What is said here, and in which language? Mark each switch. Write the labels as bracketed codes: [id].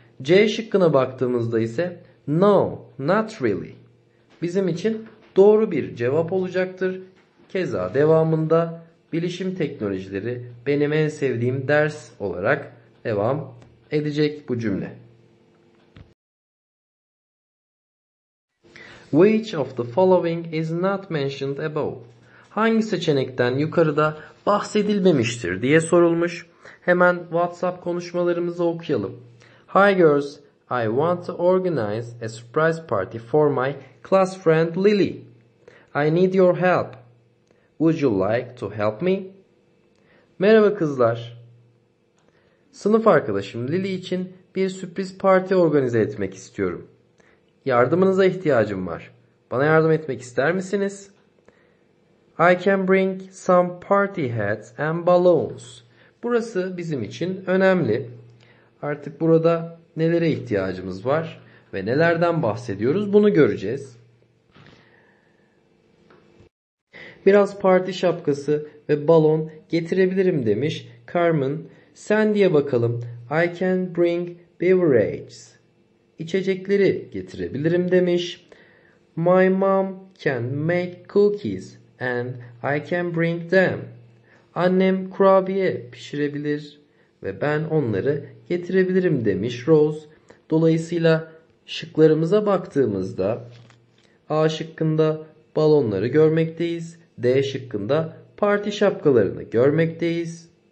[tr] C şıkkına baktığımızda ise [en] no, not really, [tr] bizim için doğru bir cevap olacaktır. Keza devamında bilişim teknolojileri benim en sevdiğim ders olarak devam edecek bu cümle. [en] Which of the following is not mentioned above? [tr] Hangi seçenekten yukarıda bahsedilmemiştir diye sorulmuş. Hemen WhatsApp konuşmalarımızı okuyalım. [en] Hi girls, I want to organize a surprise party for my class friend Lily. I need your help. Would you like to help me? [tr] Merhaba kızlar. Sınıf arkadaşım Lily için bir sürpriz parti organize etmek istiyorum. Yardımınıza ihtiyacım var. Bana yardım etmek ister misiniz? [en] I can bring some party hats and balloons. [tr] Burası bizim için önemli. Artık burada nelere ihtiyacımız var ve nelerden bahsediyoruz bunu göreceğiz. Biraz parti şapkası ve balon getirebilirim demiş Carmen. Sen diye bakalım. [en] I can bring beverages. [tr] içecekleri getirebilirim demiş. [en] My mom can make cookies and I can bring them. [tr] Annem kurabiye pişirebilir ve ben onları getirebilirim demiş Rose. Dolayısıyla şıklarımıza baktığımızda A şıkkında balonları görmekteyiz. D şıkkında parti şapkalarını görmekteyiz.